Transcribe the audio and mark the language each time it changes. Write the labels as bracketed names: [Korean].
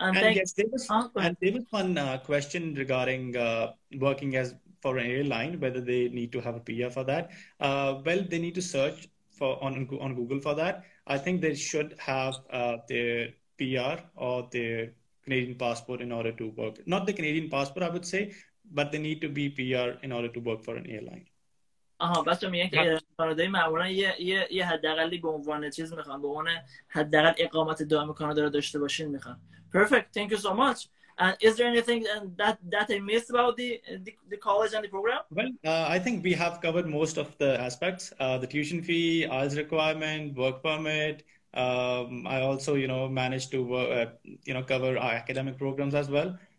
[English] There was one question regarding working as for an airline, whether they need to have a PR for that. Well, they need to search on Google for that. I think they should have their PR or their Canadian passport in order to work. Not the Canadian passport, I would say, but they need to be PR in order to work for an airline. [Persian] آها بچه میگن که ایران کانادایی معمولا یه حداقلی به عنوان چیز میخوان، به عنوان حداقل اقامت دائم کانادا رو داشته باشین میخوان. [English] Perfect. Thank you so much. And is there anything that I missed about the college and the program? Well, I think we have covered most of the aspects. The tuition fee, IELTS requirement, work permit. I also, you know, managed to cover our academic programs as well.